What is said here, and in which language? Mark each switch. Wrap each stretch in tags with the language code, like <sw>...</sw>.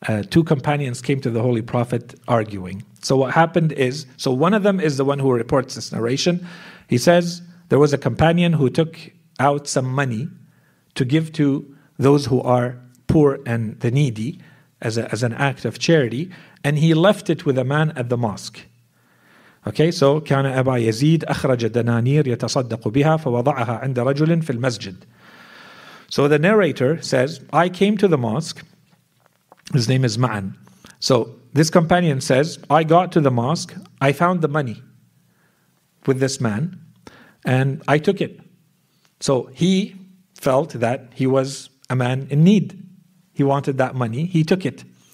<en>Two companions came to the Holy Prophet arguing. So what happened is, so one of them is the one who reports this narration. He says, there was a companion who took out some money to give to those who are poor and the needy, as an act of charity, and he left it with a man at the mosque.</en> <ar>Okay, so كان أبا يزيد أخرج دنانير يتصدق بها فوضعها عند رجل في المسجد.</ar> <en>So the narrator says, I came to the mosque. His name is Ma'an. So this companion says, I got to the mosque. I found the money with this man and I took it. So he felt that he was a man in need. He wanted that money. He took it.</en>